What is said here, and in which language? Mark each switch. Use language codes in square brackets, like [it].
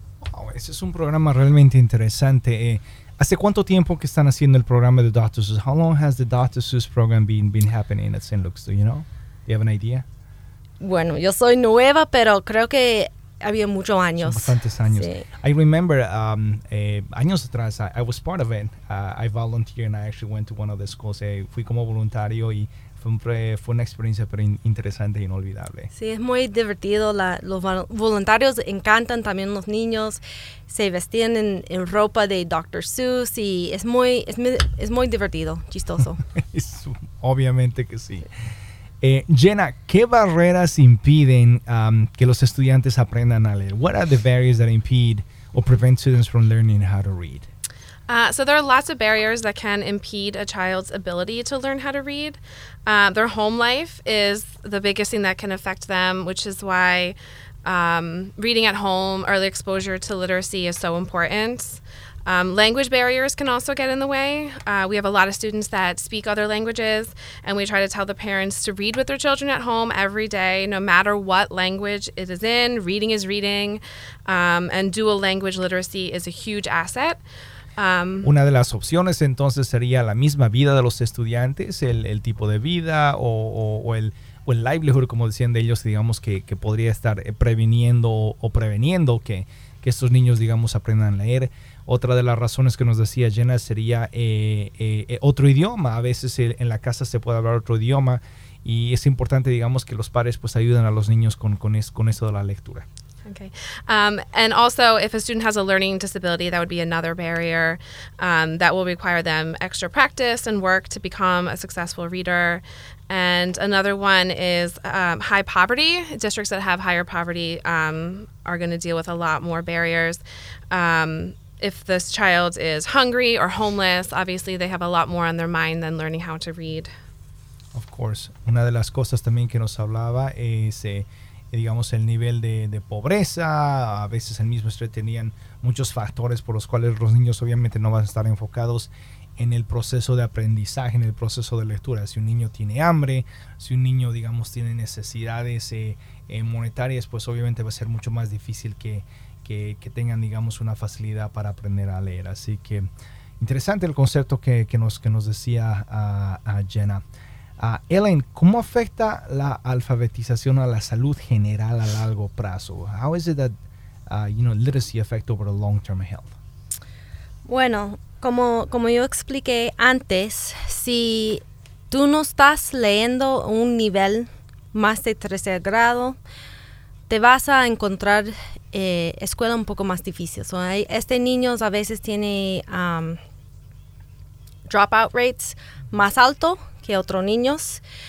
[es] Wow, ese es un programa realmente interesante. ¿Hace cuánto tiempo que están haciendo el programa de Dr. [en] Seuss? How long has the Dr. Seuss program been happening at St. Luke's? Do you know? Do you have an idea? [es] Bueno, yo soy nueva, pero creo que había muchos años. Son bastantes años. Sí. [en] I remember [es] años atrás, [en] I was part of it. I volunteered and I actually went to one of the schools. [es] Fui como voluntario y fue una experiencia pero interesante e inolvidable. Sí, es muy divertido. Los voluntarios encantan también los niños. Se vestían en ropa de Dr. Seuss y es muy divertido, chistoso. Obviamente que sí. Jenna, ¿qué barreras impiden que los estudiantes aprendan a leer? [en] What are the barriers that impede or prevent students from learning how to read? So there are lots of barriers that can impede a child's ability to learn how to read. Their home life is the biggest thing that can affect them, which is why reading at home, early exposure to literacy is so important. Language barriers can also get in the way. We have a lot of students that speak other languages, and we try to tell the parents to read with their children at home every day, no matter what language it is in. Reading is reading, and dual language literacy is a huge asset. [es] Una de las opciones entonces sería la misma vida de los estudiantes, el tipo de vida o el livelihood, como decían de ellos, digamos que podría estar preveniendo que estos niños, digamos, aprendan a leer. Otra de las razones que nos decía Jenna sería otro idioma. A veces en la casa se puede hablar otro idioma y es importante, digamos, que los padres pues ayuden a los niños con eso de la lectura. [en] Okay. And also, if a student has a learning disability, that would be another barrier that will require them extra practice and work to become a successful reader. And another one is high poverty. Districts that have higher poverty are going to deal with a lot more barriers. If this child is hungry or homeless, obviously they have a lot more on their mind than learning how to read. Of course. [es] Una de las cosas también que nos hablaba es... digamos, el nivel de pobreza, a veces el mismo estrés, tenían muchos factores por los cuales los niños obviamente no van a estar enfocados en el proceso de aprendizaje, en el proceso de lectura. Si un niño tiene hambre, si un niño, digamos, tiene necesidades monetarias, pues obviamente va a ser mucho más difícil que tengan, digamos, una facilidad para aprender a leer. Así que interesante el concepto que nos decía a Jenna. Ellen, ¿cómo afecta la alfabetización a la salud general a largo plazo? [en] How is it that literacy affects over long-term health? [es] Bueno, como yo expliqué antes, si tú no estás leyendo un nivel más de tercer grado, te vas a encontrar escuela un poco más difícil. So, este niño a veces tiene dropout rates más alto que otros niños.